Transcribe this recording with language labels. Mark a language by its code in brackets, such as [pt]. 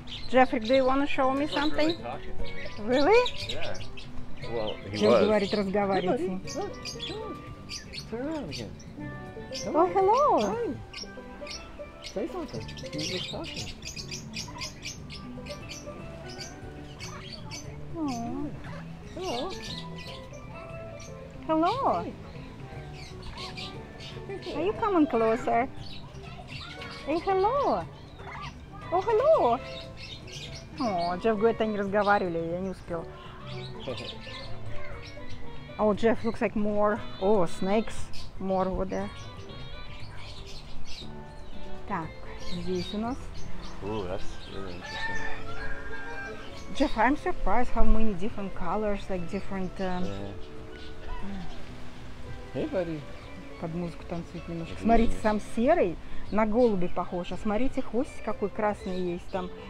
[en] Jeffrey, do you want to show me something? Really? Yeah. Well, he was. [ru] Говорит, разговаривает. [en] Turn around again. Come on. Oh, hello. Hi. Say something. He's just talking. Hello. Hello. Hello. Are you coming closer? Hey, hello. Oh, hello. [ru] О, Джефф говорит, они разговаривали, я не успел. [en] О, Джефф, looks like more. О, snakes, more over there. [ru] Так, здесь у нас. [en] Ooh, that's really interesting. Джефф, I'm surprised how many different colors, like different. Hey, buddy. [ru] Под музыку танцует немножко. Смотрите, сам серый на голуби похож, а смотрите, хвостик какой красный есть там.